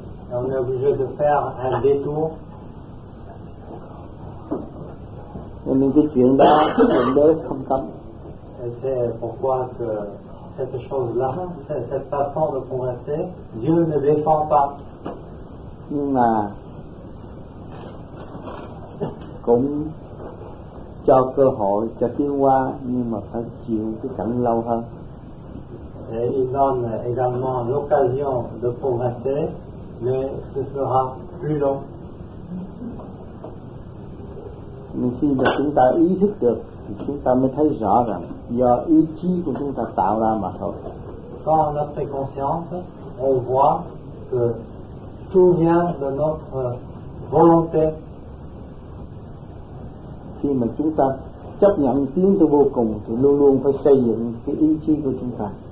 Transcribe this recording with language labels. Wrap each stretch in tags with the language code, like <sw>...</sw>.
<fr>Et on est obligé de faire un détour.</fr> <vi>Nên cái chuyện đó, thượng đế không cấm.</vi> <fr>Et c'est pourquoi que cette chose-là, cette façon de converser, Dieu ne défend pas.</fr> <vi>Nhưng mà cũng cho cơ hội cho tiến hóa, nhưng mà phải chịu cái cảnh lâu hơn.</vi> <fr>Et il donne également l'occasion de progresser, mais ce sera plus long.</fr> <vi>Nhưng khi mà chúng ta ý thức được thì chúng ta mới thấy rõ rằng do ý chí của chúng ta tạo ra mà thôi.</vi> <fr>Quand on a pris conscience, on voit que tout vient de notre volonté.</fr> <vi>Khi mà chúng ta chấp nhận tiến tới vô cùng thì luôn luôn phải xây dựng cái ý chí của chúng ta.</vi>